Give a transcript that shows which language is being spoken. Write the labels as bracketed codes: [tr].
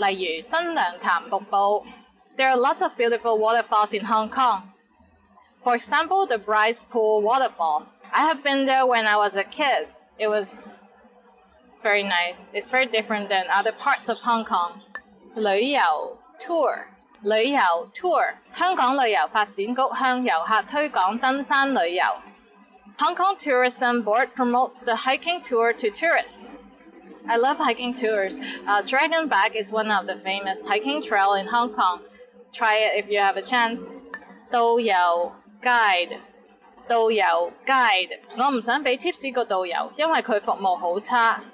[yue] 香港有很多很漂亮的瀑布,例如新娘潭瀑布. [en] There are lots of beautiful waterfalls in Hong Kong. For example, the Bryce Pool waterfall. I have been there when I was a kid. It was very nice. It's very different than other parts of Hong Kong. [yue] 旅游, [en] tour. 旅游, tour. [yue] 香港旅游发展局向游客推广登山旅游. [en] Hong Kong Tourism Board promotes the hiking tour to tourists. I love hiking tours. Dragonback is one of the famous hiking trails in Hong Kong. Try it if you have a chance. [yue] 导游, [en] guide. [yue] 导游, [en] guide. [yue] 我不想给tips一个导游,因为他服务很差.